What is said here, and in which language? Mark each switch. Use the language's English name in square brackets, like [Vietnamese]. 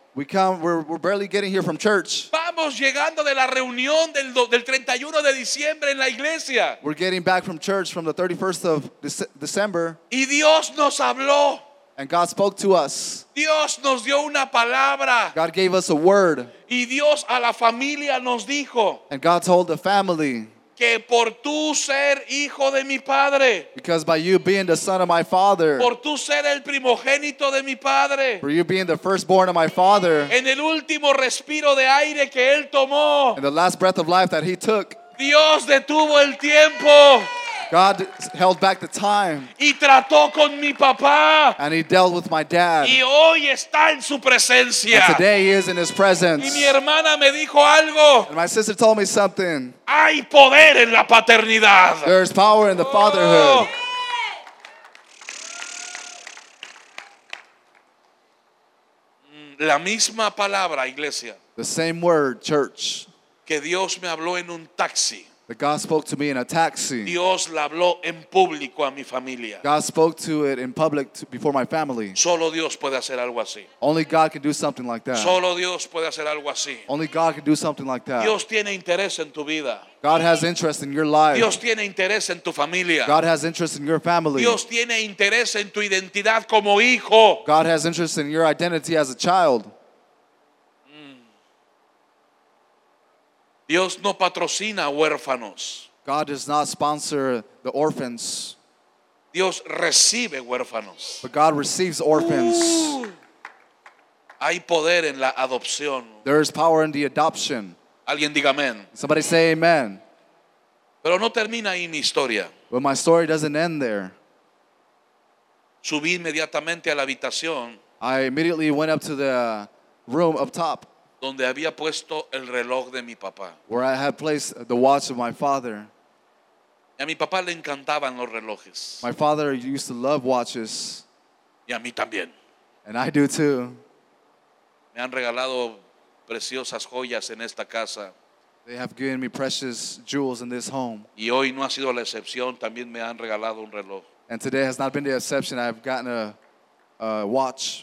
[English] We come, we're barely getting here from church. [Spanish] Vamos llegando de la reunión del 31 de diciembre en la iglesia. [English] We're getting back from church from the 31st of December. [Spanish] Y Dios nos habló. [English] And God spoke to us. [Spanish] Dios nos dio una palabra. [English] God gave us a word. [Spanish] Y Dios a la familia nos dijo. [English] And God told the family. [Spanish] Que por tú ser hijo de mi padre. [English] Because by you being the son of my father. [Spanish] Por tú ser el primogénito de mi padre. [English] For you being the firstborn of my father. [Spanish] En el último respiro de aire que él tomó. [English] In the last breath of life that he took. [Spanish] Dios detuvo el tiempo. [English] God held back the time. [Spanish] Y trató con mi papá. [English] And he dealt with my dad. [Spanish] Y hoy está en su presencia. [English] And today he is in his presence. [Spanish] Y mi hermana me dijo algo. [English] And my sister told me something. [Spanish] Hay poder en la paternidad. [English] There's power in the fatherhood. Yeah. [Spanish] La misma palabra, iglesia. [English] The same word, church. [Spanish] Que Dios me habló en un taxi. [English] That God spoke to me in a taxi. [Spanish] Dios la habló en público a mi familia. [English] God spoke to it in public before my family. [Spanish] Solo Dios puede hacer algo así. [English] Only God can do something like that. [Spanish] Solo Dios puede hacer algo así. [English] Only God can do something like that. [Spanish] Dios tiene interés en tu vida. [English] God has interest in your life. [Spanish] Dios tiene interés en tu familia. [English] God has interest in your family. [Spanish] Dios tiene interés en tu identidad como hijo. [English] God has interest in your identity as a child. [Spanish] Dios no patrocina huérfanos. [English] God does not sponsor the orphans. [Spanish] Dios recibe huérfanos. [English] But God receives orphans. [Spanish] Ooh. Hay poder en la adopción. [English] There is power in the adoption. [Spanish] Alguien diga amén. [English] Somebody say amen. [Spanish] Pero no termina ahí mi historia. [English] But my story doesn't end there. [Spanish] Subí inmediatamente a la habitación. [English] I immediately went up to the room up top. [Spanish] Donde había puesto el reloj de mi papá. [English] Where I had placed the watch of my father. [Spanish] Y a mi papá le encantaban los relojes. [English] My father used to love watches. [Spanish] Y a mí también. [English] And I do too. [Spanish] Me han regalado preciosas joyas en esta casa. [English] They have given me precious jewels in this home. [Spanish] Y hoy no ha sido la excepción, también me han regalado un reloj. [English] And today has not been the exception, I've gotten a watch.